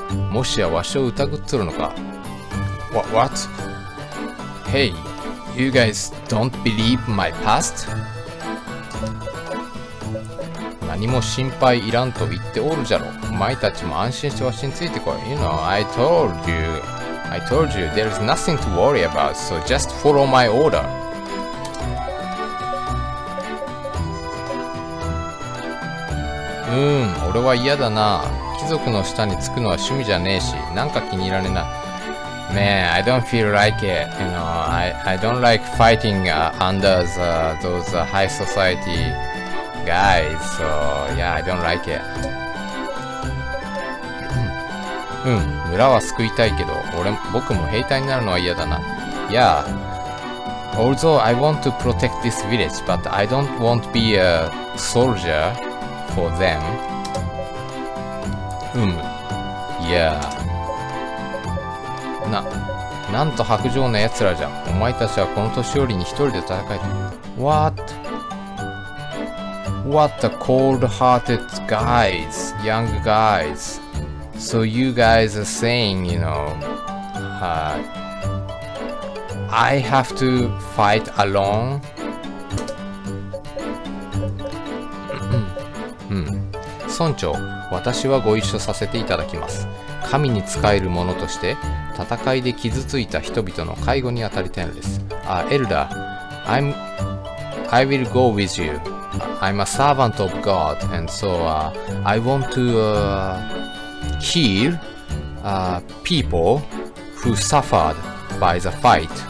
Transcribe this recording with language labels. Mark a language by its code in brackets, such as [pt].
[ja] もしやわしを疑っとるのか？ [en] What? Hey, you guys don't believe my past? [ja] 何も心配いらんと言っておるじゃろ。お前たちも安心してわしについてこい。 [en] You know, I told you there's nothing to worry about, so just follow my order. [ja] うーん、俺は嫌だな。貴族の下につくのは趣味じゃねえし、なんか気に入らねえな。 [en] Man, I don't feel like it. You know, I don't like fighting under those high society. Guys, so yeah, I don't like it. [ja] うん、村は救いたいけど、僕も兵隊になるのは嫌だな。 [en] Yeah, although I want to protect this village, but I don't want to be a soldier for them. うむ、Yeah. [ja] なんと薄情な奴らじゃ。お前たちはこの年寄りに一人で戦えて。 [en] What a cold-hearted guys, young guys. So you guys are saying, you know, I have to fight alone? [ja] うん、村長、私はご一緒させていただきます。神に仕える者として、戦いで傷ついた人々の介護に当たりたいのです。 [en] エルダー、I will go with you. I'm a servant of God, and so I want to heal people who suffered by the fight.